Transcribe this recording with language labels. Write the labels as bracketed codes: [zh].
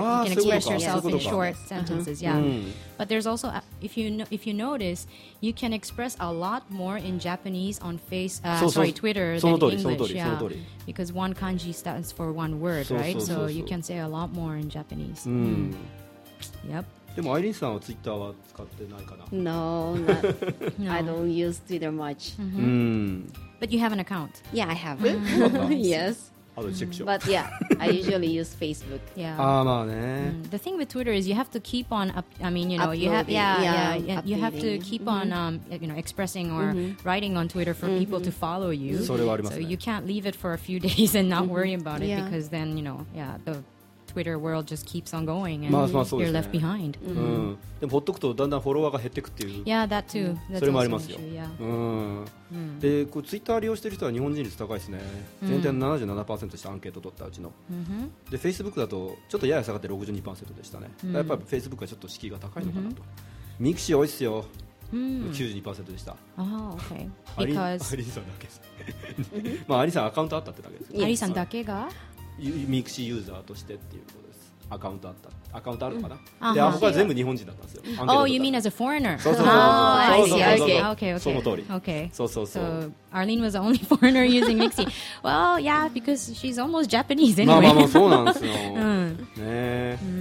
[en] You can express yourself in short sentences. Yeah. But there's also if you notice, you can express a lot more in Japanese on Twitter than English. Yeah. Because one kanji stands for one word, right? So you can say a lot more in Japanese. Yep. [ja] でもアイリンさんはツイッターは使ってないかな [en] No, not. I don't use Twitter much、 mm-hmm. mm. But you have an account Yeah, I have Yes I'll check、mm-hmm. But yeah, I usually use Facebook Yeah. [ja] あまあね、mm. [en] The thing with Twitter is you have to keep on up, I mean, you know Uploading you have, yeah, you have to keep on、mm-hmm. you know, expressing or、mm-hmm. writing on Twitter for、mm-hmm. people to follow you [ja] それはありますね [en] So you can't leave it for a few days and not worry about it、yeah. Because then, you know, yeah, theTwitter world just keeps on going and、 [ja] まあまあね、 [en] you're left behind、 [ja] うんうん、でもほっとくとだんだんフォロワーが減ってくっていう [en] Yeah, that too、 [ja] うん、それもありますよ、 [en] yeah. [ja] うんうん、でこれ Twitter 利用してる人は日本人率高いですね、うん、全体の 77% でしたアンケート取ったうちの、うん、で Facebook だとちょっとやや下がって 62% でしたね、うん、やっぱり Facebook はちょっと敷居が高いのかなと、うん、ミクシー多いっすよ、うん、 92% でした [en] ああ、OK Because [ja] アリさんだけです、うんまあ、アリさんアカウントあったってだけですアリさんだけがミクシーユーザーとしてっていうことです。アカウントあった、アカウントあるのかな。で、僕は全部日本人だったんですよ。 [en] Oh, you mean as a foreigner? [ja] そうそうそう。 [en] Oh, I see. Okay, okay, [ja] okay. その通り。 [en] Okay. [ja] そうそうそう。 [en] So, Arlene was the only foreigner using Mixi. Well, yeah, because she's almost Japanese anyway. [ja] まあまあまあそうなんですよ。ねえ。